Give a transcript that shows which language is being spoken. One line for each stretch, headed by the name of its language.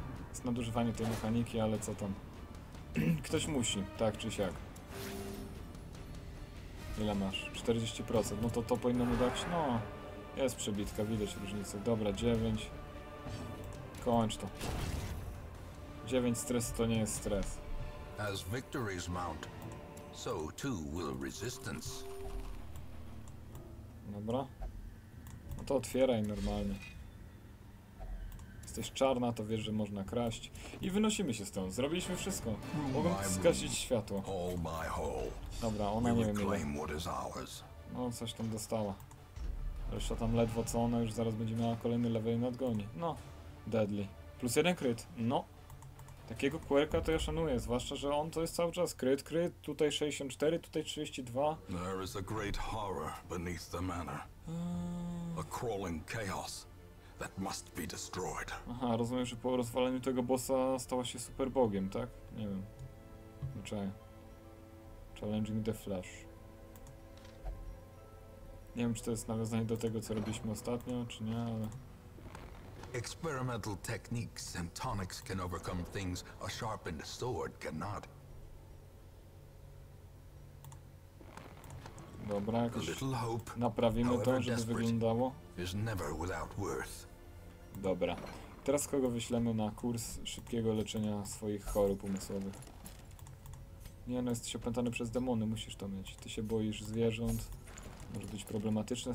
Polish: Jest nadużywanie tej mechaniki, ale co tam. Ktoś musi, tak czy siak. Ile masz? 40%. No to to powinno mu dać. No, jest przebitka, widać różnicę. Dobra, 9. Kończ to. 9 stresu to nie jest stres.
English: As victories mount, so too will resistance.
Polish: Dobra. No to otwieraj normalnie. Jesteś czarna, to wiesz, że można kraść. I wynosimy się stąd. Zrobiliśmy wszystko. Mogą zgasić światło. Dobra, ona nie wiem ile. No, coś tam dostała. Reszta tam ledwo co, ona już zaraz będzie miała kolejny level i nadgoni. No, deadly. Plus jeden kryt. No. Takiego quirka to ja szanuję, zwłaszcza, że on to jest cały czas kryt, kryt. Tutaj 64, tutaj 32.
English: There is a great horror beneath the manor. A crawling chaos. That must be destroyed.
Polish: Aha, rozumiem, że po rozwaleniu tego bossa stała się super bogiem, tak? Nie wiem. Zwyczaj.
English: Challenging the Flash.
Polish: Nie wiem, czy to jest nawiązanie do tego, co robiliśmy ostatnio, czy nie, ale...
English: Experimental techniques and tonics can overcome things a sharpened sword cannot.
Polish: Dobra, jakoś naprawimy to, żeby wyglądało.
English: Is never without worth.
Polish: Dobra, teraz kogo wyślemy na kurs szybkiego leczenia swoich chorób umysłowych? Nie no, jesteś opętany przez demony, musisz to mieć. Ty się boisz zwierząt, może być problematyczne.